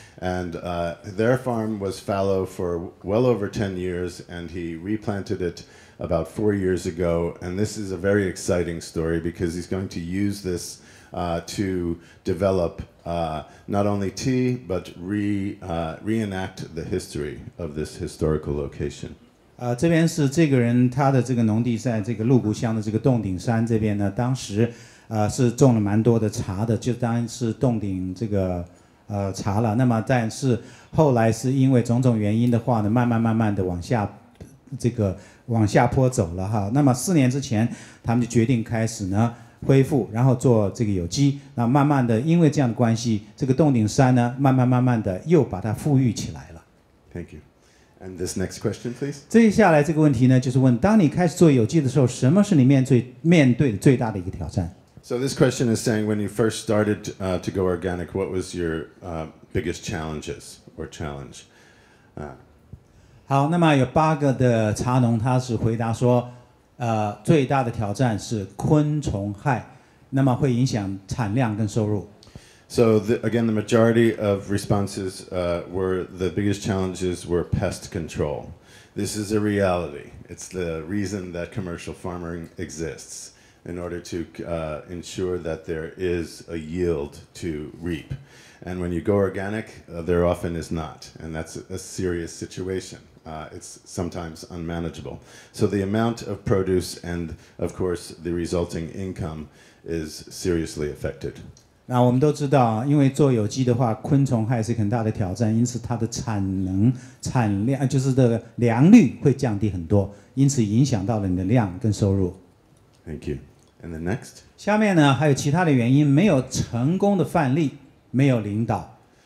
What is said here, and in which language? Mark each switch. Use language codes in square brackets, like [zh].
[en] And their farm was fallow for well over 10 years, and he replanted it about 4 years ago. And this is a very exciting story because he's going to use this to develop not only tea, but reenact the history of this historical location. [zh] 这边是这个人他的这个农地在这个鹿谷乡的这个洞顶山这边呢，当时是种了蛮多的茶的，就当是洞顶这个茶了。那么但是后来是因为种种原因的话呢，慢慢的往下这个往下坡走了哈。那么四年之前他们就决定开始呢恢复，然后做这个有机。那慢慢的因为这样的关系，这个洞顶山呢慢慢的又把它富裕起来了。 [en] Thank you. And this next question, please. [zh] 接下来这个问题呢，就是问：当你开始做有机的时候，什么是你面对的最大的一个挑战 [en] ？So this question is saying, when you first started to go organic, what was your biggest challenges or challenge? [zh] 好，那么有八个的茶农，他是回答说，最大的挑战是昆虫害，那么会影响产量跟收入。 [en] So again, the majority of responses were the biggest challenges were pest control. This is a reality. It's the reason that commercial farming exists, in order to ensure that there is a yield to reap. And when you go organic, there often is not. And that's a serious situation. It's sometimes unmanageable. So the amount of produce and, of course, the resulting income is seriously affected. [zh] 那我们都知道，因为做有机的话，昆虫害是很大的挑战，因此它的产量就是的良率会降低很多，因此影响到了你的量跟收入。 [en] Thank you. And the next? [zh] 下面呢还有其他的原因，没有成功的范例，没有领导。